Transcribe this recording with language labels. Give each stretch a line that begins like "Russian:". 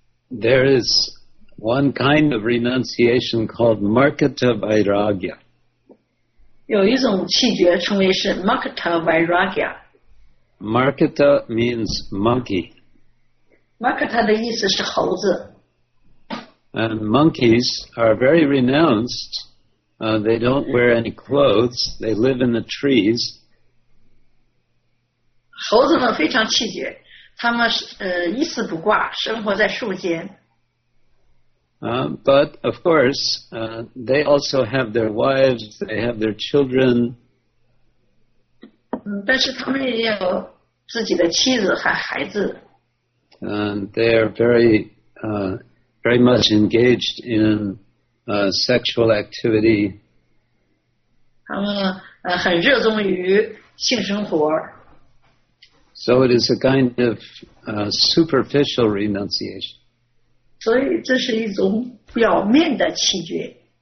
English: There is one kind of renunciation called Markata Vairagya.
Chinese: 有一种弃绝称为是 Markata Vairagya。
English: Markata means monkey.
Chinese: Markata 的意思是猴子。
English: And monkeys are very renounced. They don't wear any clothes. They live in the trees.
Chinese: 猴子们非常气绝，他们一丝不挂，生活在树间。
English: But of course, they also have their wives. They have their children.
Chinese: 但是他们也有自己的妻子和孩子。
English: They are very much engaged in sexual activity.
Chinese: 他们很热衷于性生活。
English: So it is a kind of superficial renunciation.
Chinese: 所以这是一种表面的弃绝。